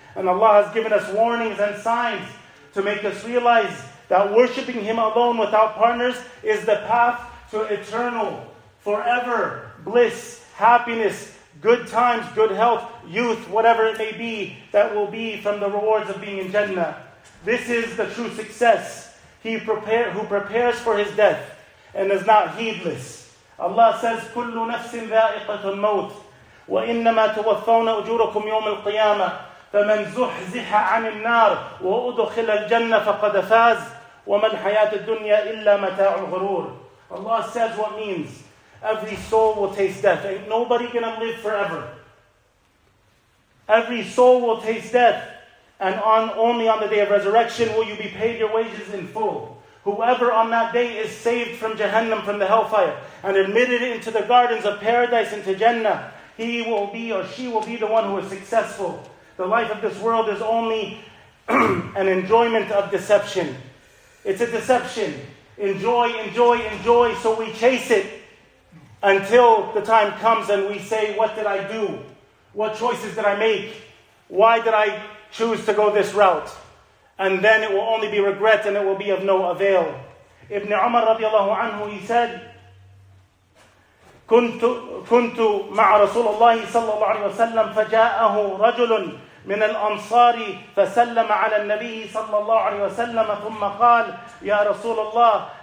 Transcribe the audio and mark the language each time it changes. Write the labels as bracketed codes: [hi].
[en] And Allah has given us warnings and signs to make us realize that worshipping Him alone without partners is the path to eternal, forever, bliss, happiness, good times, good health, youth, whatever it may be, that will be from the rewards of being in Jannah. This is the true success. Who prepares for his death and is not heedless. Allah says, [ar] كُلُّ نَفْسٍ ذَائِقَةٌ مَوْتٍ وَإِنَّمَا تُوَفَّوْنَ أُجُورَكُمْ يَوْمِ الْقِيَامَةِ فَمَنْ زُحْزِحَ عَنِ النَّارِ وَأُدْخِلَ الْجَنَّةَ فَقَدَ فَازِ وَمَا الْحَيَاةِ الدُّنْيَا إِلَّا مَتَاعُ الْغُرُورِ [en] Allah says what means. Every soul will taste death. Ain't nobody gonna live forever. Every soul will taste death. And only on the day of resurrection will you be paid your wages in full. Whoever on that day is saved from Jahannam, from the hellfire, and admitted into the gardens of paradise, into Jannah, he will be or she will be the one who is successful. The life of this world is only an enjoyment of deception. It's a deception. Enjoy, enjoy, enjoy, so we chase it until the time comes and we say, what did I do? What choices did I make? Why did I choose to go this route? And then it will only be regret and it will be of no avail. Ibn Umar radiallahu anhu, he said, [ar] كُنْتُ مَعَ رَسُولَ اللَّهِ صَلَّى اللَّهُ عَلَيْهِ وَسَلَّمْ فَجَاءَهُ رَجُلٌ مِنَ الْأَنصَارِ فَسَلَّمَ عَلَى النَّبِيِّ صَلَّى اللَّهُ عَلَيْهِ وَسَلَّمَ ثُمَّ قَالَ يَا رَسُولَ اللَّهِ